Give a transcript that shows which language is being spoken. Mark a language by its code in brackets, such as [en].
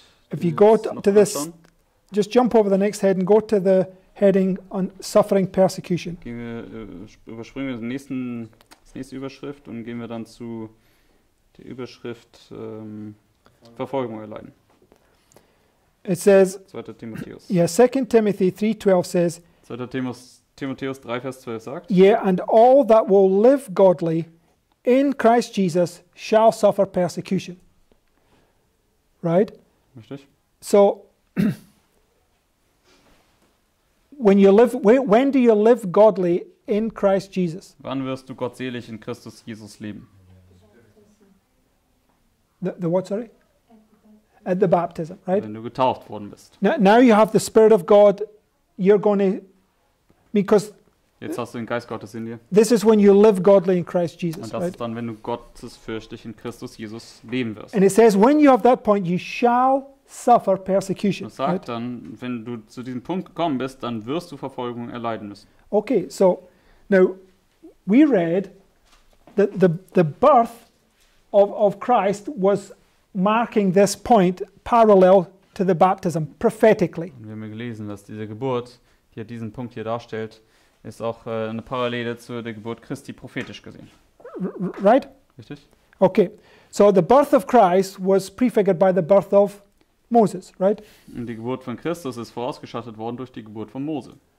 [en] If you go to this, just jump over the next heading. Go to the heading on suffering persecution. [de] Überspringen wir das nächste Überschrift und gehen wir dann zu der Überschrift Verfolgung erleiden. [en] It says, [de] 2. Timotheus. [en] Yeah, 2 Timothy 3:12 says, [de] 2. Timotheus 3, Vers 12 sagt, [en] yeah, and all that will live godly in Christ Jesus shall suffer persecution. Right? [de] Richtig. [en] So, when do you live godly in Christ Jesus? [de] Wann wirst du gottselig in Christus Jesus leben? [en] The what, sorry? at the baptism, right? [de] Wenn du getauft worden bist. [en] Now you have the Spirit of God, you're going to, because [de] jetzt hast du den Geist Gottes in dir. [en] This is when you live godly in Christ Jesus. [de] Und das [en] right? [de] ist dann, wenn du gottesfürchtig in Christus Jesus leben wirst. [en] And it says, when you have that point, you shall suffer persecution. [de] Das sagt [en] right? [de] dann, wenn du zu diesem Punkt gekommen bist, dann wirst du Verfolgung erleiden müssen. [en] Okay, so now we read that the birth of Christ was marking this point parallel to the baptism prophetically. [de] Und wir haben gelesen, dass diese Geburt, die diesen Punkt hier darstellt, ist auch eine Parallele zu der Geburt Christi prophetisch gesehen. [en] Right? [de] Richtig. [en] Okay. So the birth of Christ was prefigured by the birth of Moses, right? [de] Und die Geburt von Christus ist vorausgeschattet worden durch die Geburt von Mose.